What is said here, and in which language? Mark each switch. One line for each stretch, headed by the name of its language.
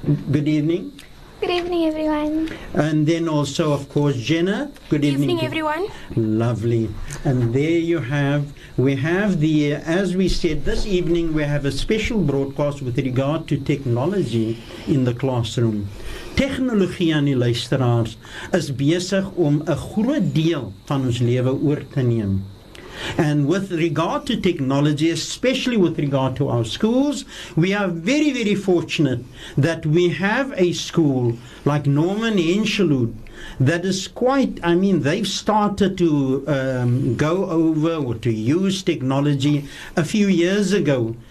English: Good evening. Good evening, everyone. And then also, of course, Jenna. Good evening, everyone. Lovely. And there you have, we have the, as we said, this evening we have a special broadcast with regard to technology in the classroom.
Afrikaans: Tegnologie aan die luisteraars is besig om 'n groot deel van ons lewe oor te neem.
English: And with regard to technology, especially with regard to our schools, we are very, very fortunate that we have a school like Normanhwood that is quite, I mean, they've started to go over or to use technology a few years ago.